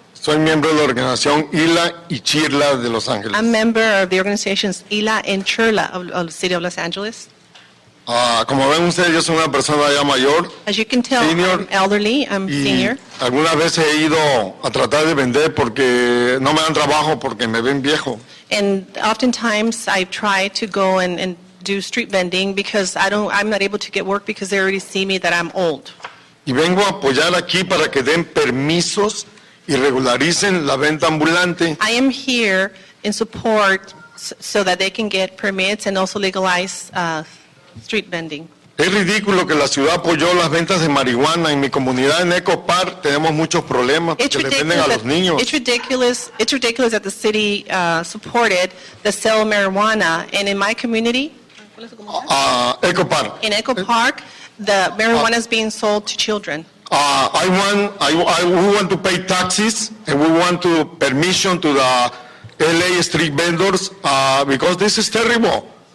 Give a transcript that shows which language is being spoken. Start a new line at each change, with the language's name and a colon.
Spanish: Soy miembro de la organización ILA y CHIRLA de Los Ángeles.
English: I'm a member of the organizations ILA and CHIRLA of the City of Los Angeles.
Spanish: Como ven ustedes, yo soy una persona ya mayor.
English: As you can tell, senior, I'm elderly, I'm
Spanish: y
English: senior.
Spanish: Algunas veces he ido a tratar de vender porque no me dan trabajo porque me ven viejo.
English: And oftentimes I try to go and do street vending because I'm not able to get work because they already see me that I'm old.
Spanish: Y vengo a apoyar aquí para que den permisos y regularicen la venta ambulante.
English: I am here in support so that they can get permits and also legalize street vending.
Spanish: Es ridículo que la ciudad apoyó las ventas de marihuana en mi comunidad en Echo Park. Tenemos muchos problemas porque le venden a los niños.
English: It's ridiculous that the city supported the sale of marijuana, and in my community, Echo Park. In Echo Park, the marijuana is being sold to children. We want to pay taxes and we want to permission to the LA street vendors because this is terrible.